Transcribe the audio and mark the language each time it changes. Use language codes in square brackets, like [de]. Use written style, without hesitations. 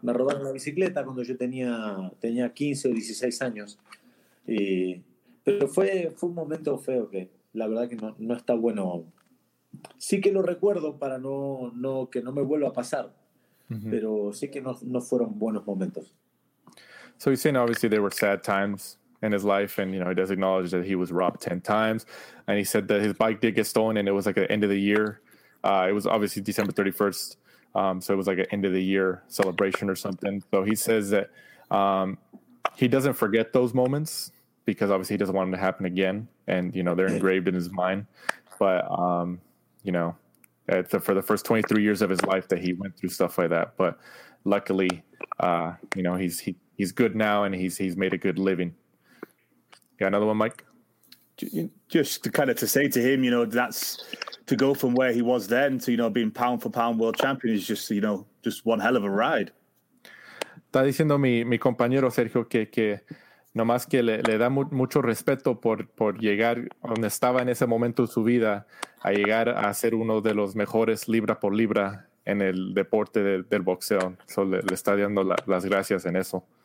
[es] Me robaron la bicicleta cuando yo tenía 15 o 16 años. Pero fue un momento feo que la verdad que no está bueno. Sí que lo recuerdo para no que no me vuelva a pasar. Mm-hmm. Pero sí que no fueron buenos momentos. [en] So he's saying obviously there were sad times in his life, and you know, he does acknowledge that he was robbed 10 times, and he said that his bike did get stolen, and it was like at the end of the year. It was obviously December 31st. So it was like an end of the year celebration or something. So he says that he doesn't forget those moments because obviously he doesn't want them to happen again. And, you know, they're engraved in his mind. But, you know, for the first 23 years of his life that he went through stuff like that. But luckily, you know, he's good now and he's made a good living. Yeah, another one, Mike? Just to kind of to say to him, you know, that's to go from where he was then to, you know, being pound for pound world champion is just, you know, just one hell of a ride. [es] Está diciendo mi compañero Sergio que nomás que le da mucho respeto por llegar donde estaba en ese momento de su vida a llegar a ser uno de los mejores libra por libra en el deporte del boxeo. So le está dando las gracias en eso.